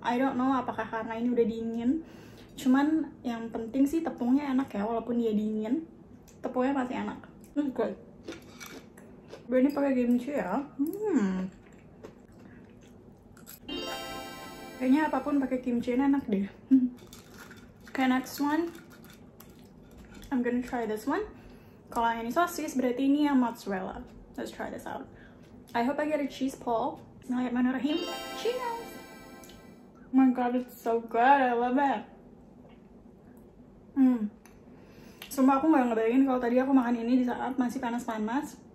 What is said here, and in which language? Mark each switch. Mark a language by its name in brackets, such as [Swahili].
[English] I don't know [Indonesian] apakah karena ini udah dingin. Cuman yang penting sih tepungnya enak ya, walaupun dia dingin. Tepungnya masih enak. Okay. Berani pakai kimchi ya. Kayaknya apapun pakai kimchi ini enak deh. [English] Okay, next one. I'm gonna try this one. [Indonesian] Kalau yang ini sosis, berarti ini yang mozzarella. [English] Let's try this out. I hope I get a cheese pull. Bismillahirrahmanirrahim. Cheers! Oh my god, it's so good. I love it. [Indonesian] Sumpah aku gak ngebayangin kalau tadi aku makan ini di saat masih panas-panas.